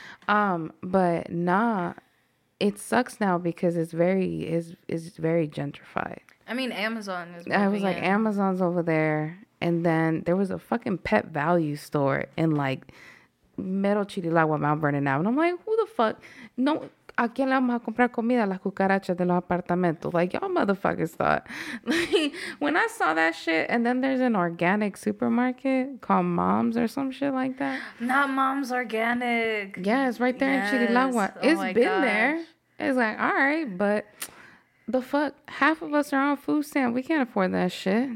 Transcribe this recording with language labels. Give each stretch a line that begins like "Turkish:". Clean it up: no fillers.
English: But, nah, it sucks now because it's very gentrified. I mean, Amazon is moving. I was like, Amazon's over there. And then there was a fucking Pet Value store in, like, Metal Chirilawa, Mount Vernon now. And I'm like, who the fuck?
Spanish: No, ¿a quién le vamos a comprar comida? Las cucarachas de los apartamentos.
English: Like, y'all motherfuckers thought. When I saw that shit, and then there's an organic supermarket called Mom's or some shit like that. Not Mom's Organic. Yeah, it's right there in Chirilawa. Oh, it's been gosh. There. It's like, all right, but the fuck? Half of us are on food stamp. We can't afford that shit.